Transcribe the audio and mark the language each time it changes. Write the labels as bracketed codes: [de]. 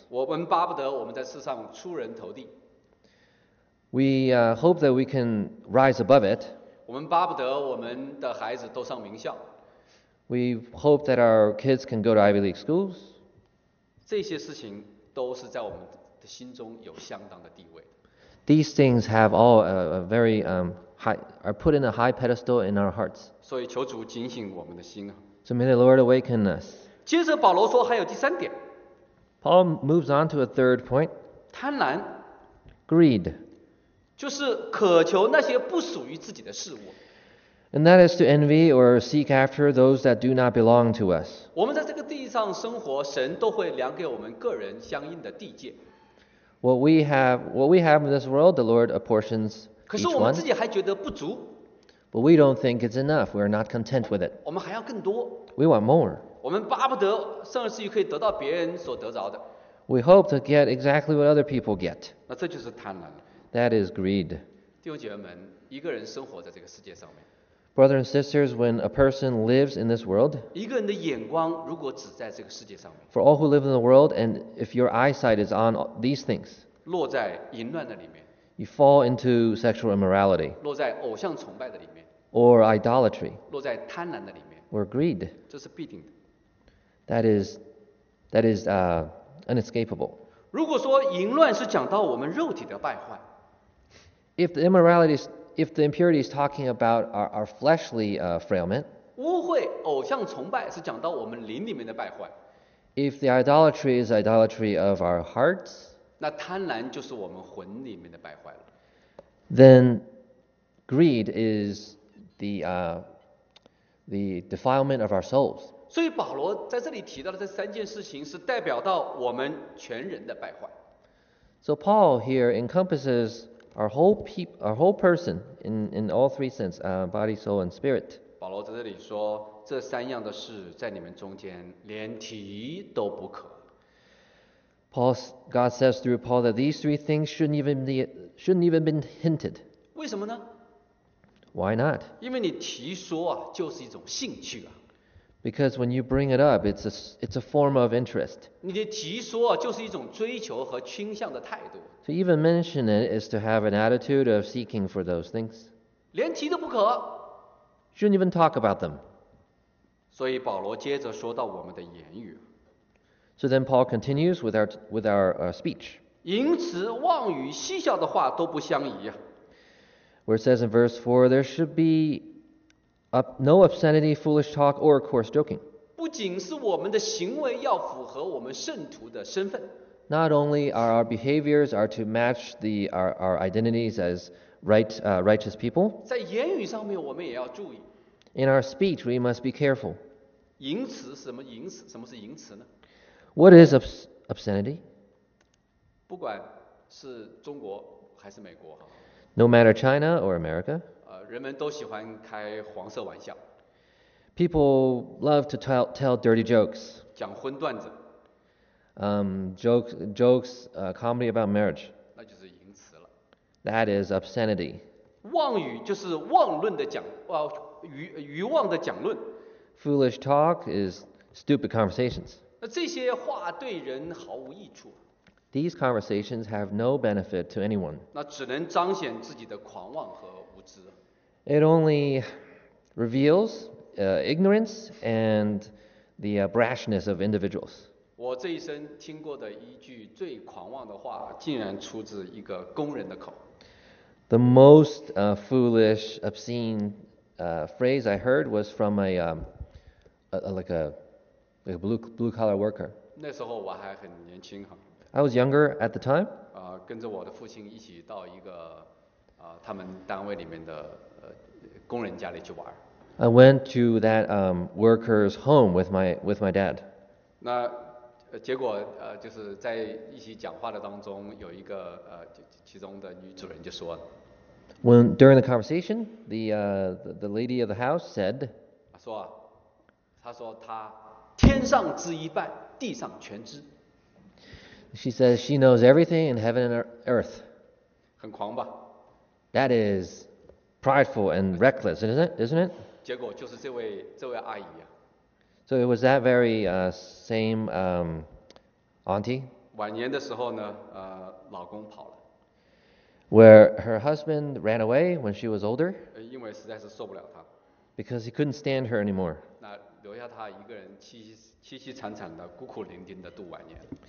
[zh] 我们巴不得我们在世上出人头地。 [en] We hope that we can rise above it. [zh] 我们巴不得我们的孩子都上名校。 [en] We hope that our kids can go to Ivy League schools. [zh] 这些事情都是在我们的心中有相当的地位。 [en] These things have all a very high, are put in a high pedestal in our hearts. [zh] 所以求主警醒我们的心啊。 [en] So may the Lord awaken us. [zh] 接着保罗说还有第三点。 [en] Paul moves on to a third point. [zh] 贪婪。 [en] Greed. [zh] 就是渴求那些不属于自己的事物。 [en] And that is to envy or seek after those that do not belong to us. [zh] 我们在这个地上生活，神都会量给我们个人相应的地界。 [en] What we have in this world, the Lord apportions each one. [zh] 可是我们自己还觉得不足。 [en] But we don't think it's enough. We are not content with it. [zh] 我们还要更多。 [en] We want more. [zh] 我们巴不得甚至于可以得到别人所得着的。 [en] We hope to get exactly what other people get. [zh] 那这就是贪婪。 [en] That is greed. [zh] 弟兄姐妹们，一个人生活在这个世界上面。 [en] Brothers and sisters, when a person lives in this world, [zh] 一个人的眼光如果只在这个世界上面， [en] for all who live in the world, and if your eyesight is on these things, [zh] 落在淫乱的里面， [en] you fall into sexual immorality, [zh] 落在偶像崇拜的里面， [en] or idolatry, [zh] 落在贪婪的里面， [en] or greed, [zh] 这是必定的。 [en] That is inescapable. [zh] 如果说淫乱是讲到我们肉体的败坏， [en] If the impurity is talking about our fleshly frailment, [zh] 污秽偶像崇拜是讲到我们灵里面的败坏。 [en] If the idolatry is idolatry of our hearts, [zh] 那贪婪就是我们魂里面的败坏了。 [en] Then greed is the defilement of our souls. [zh] 所以保罗在这里提到的这三件事情是代表到我们全人的败坏。 [en] So Paul here encompasses our whole person in all three sense, body, soul, and spirit. [zh] 保罗在这里说，这三样的事在你们中间连提都不可。 [en] God says through Paul that these three things shouldn't even be hinted. [zh] 为什么呢？ [en] Why not? [zh] 因为你提说啊，就是一种兴趣啊。 [en] Because when you bring it up, it's a form of interest. [zh] 你的提说啊，就是一种追求和倾向的态度。 [en] To even mention it is to have an attitude of seeking for those things. [zh] 连提都不可。 [en] Shouldn't even talk about them. [zh] 所以保罗接着说到我们的言语。 [en] So then Paul continues with our speech. [zh] 淫词妄语嬉笑的话都不相宜啊。 [en] Where it says in verse 4, there should be no obscenity, foolish talk, or coarse joking. [zh] 不仅是我们的行为要符合我们圣徒的身份。 [en] Not only are our behaviors are to match our identities as righteous people. [zh] 在言语上面我们也要注意。 [en] In our speech, we must be careful. [zh] 淫词什么淫词？什么是淫词呢？ [en] What is obscenity? [zh] 不管是中国还是美国。 [en] No matter China or America. [zh] 人们都喜欢开黄色玩笑。 [en] People love to tell dirty jokes. [zh] 讲荤段子。 [en] Jokes, comedy about marriage. [zh] 那就是淫词了。 [en] That is obscenity. [zh] 妄语就是妄论的讲，愚妄的讲论。 [en] Foolish talk is stupid conversations. [zh] 那这些话对人毫无益处。 [en] These conversations have no benefit to anyone. [zh] 那只能彰显自己的狂妄和无知。 [en] It only reveals ignorance and the brashness of individuals. [zh] 我这一生听过的一句最狂妄的话，竟然出自一个工人的口。 [en] The most foolish, obscene phrase I heard was from a blue collar worker. [zh] 那时候我还很年轻哈。 [en] I was younger at the time. [zh] 跟着我的父亲一起到一个他们单位里面的工人家里去玩。 [en] I went to that worker's home with my dad. [zh] 那结果就是在一起讲话的当中，有一个其中的女主人就说。 [en] When during the conversation, the lady of the house said, [zh] 说啊，她说她天上知一半，地上全知。 [en] She says she knows everything in heaven and earth. [zh] 很狂吧？ [en] That is prideful and reckless, isn't it? [zh] 结果就是这位阿姨啊。 [en] So it was that very same auntie. [zh] 晚年的时候呢，老公跑了。 [en] Where her husband ran away when she was older, [zh] 因为实在是受不了她。 [en] Because he couldn't stand her anymore. [zh] 那留下她一个人凄凄惨惨的孤苦伶仃的度晚年。